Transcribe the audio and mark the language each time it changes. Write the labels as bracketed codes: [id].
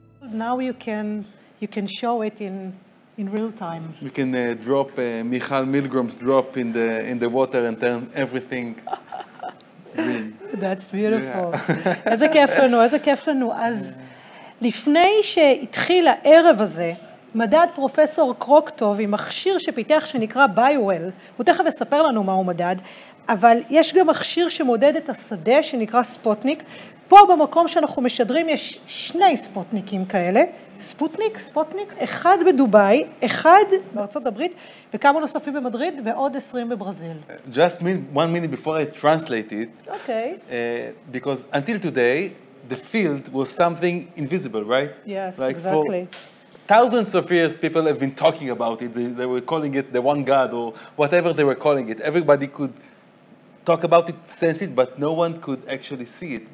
[en] Now you can show it in real time. We can drop Michal Milgram's drop in the water and turn everything green. That's beautiful. Yeah. [he] איזה כיף לנו. אז לפני שהתחיל הערב הזה, מדד פרופסור קרוקטוב עם מכשיר שפיתח שנקרא ביואל, הוא תכף יספר לנו מה הוא מדד, אבל יש גם מכשיר שמודד את השדה שנקרא ספוטניק. פה במקום שאנחנו משדרים יש שני ספוטניקים כאלה, ספוטניק, אחד בדובאי, אחד בארצות הברית, וכמה נוספים במדריד, ועוד 20 בברזיל. [en] Just one minute before I translate it. Okay. Because until today, the field was something invisible, right? Yes, like exactly. For thousands of years, people have been talking about it. They were calling it the one God, or whatever they were calling it. Everybody could talk about it, sense it, but no one could actually see it.